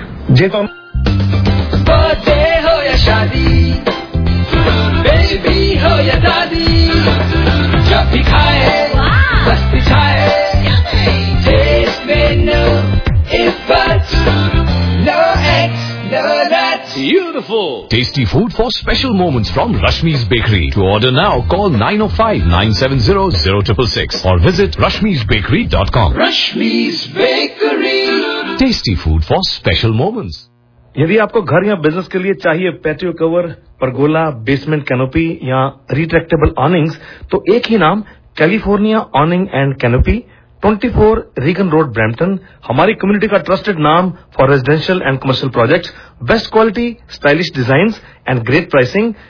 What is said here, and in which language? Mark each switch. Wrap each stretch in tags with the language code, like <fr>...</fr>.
<hi>जे तो बर्थडे हो या शादी, बेबी हो या दादी, जब भी खाए मस्ती छाए, टेस्ट में</hi> <en>No effect, no ex, no that. Beautiful. Tasty food for special moments from Rashmi's Bakery. To order now, call 905-970-0666 or visit rashmisbakery.com. Rashmi's Bakery. Tasty food for special moments.</en> <hi>यदि आपको घर या बिजनेस के लिए चाहिए पैट्रियो cover, pergola, basement canopy या retractable awnings, तो एक ही नाम, California awning and canopy, 24 Regan road, Brampton. हमारी कम्युनिटी का</hi> <en>Trusted नाम for residential and commercial projects, best quality, stylish designs and great pricing.</en>